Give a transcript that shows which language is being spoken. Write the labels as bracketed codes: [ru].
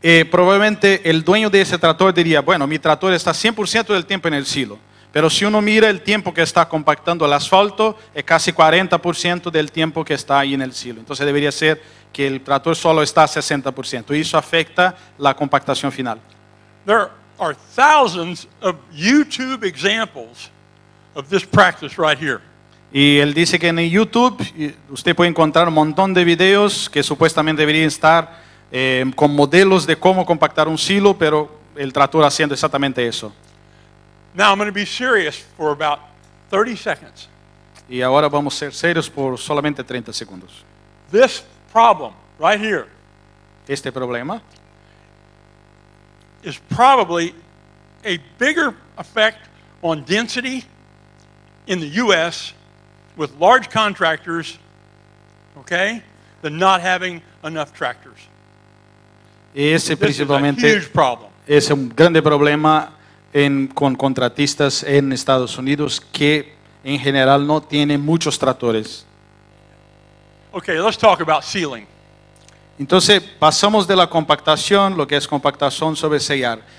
[es] Probablemente el dueño de ese tractor diría, bueno, mi tractor está 100% del tiempo en el silo. Pero si uno mira el tiempo que está compactando el asfalto, es casi 40% del tiempo que está ahí en el silo. Entonces debería ser que el tractor solo está a 60%. Y eso afecta la compactación final. [en] There are thousands of YouTube examples of this practice right here. [es] Y él dice que en YouTube usted puede encontrar un montón de videos que supuestamente deberían estar con modelos de cómo compactar un silo, pero el tractor haciendo exactamente eso. [en] Now I'm going to be serious for about 30 seconds. [es] Y ahora vamos a ser serios por solamente 30 segundos. [en] This problem right here. [es] Este problema [en] is probably a bigger effect on density in the U.S. with large contractors, okay, than not having enough tractors. [es] Ese principalmente [en] is a huge problem. [es] Es un grande problema con contratistas en Estados Unidos que en general no tienen muchos tractores. [en] Okay, let's talk about sealing. [es] Entonces, pasamos de la compactación, lo que es compactación, sobre sellar.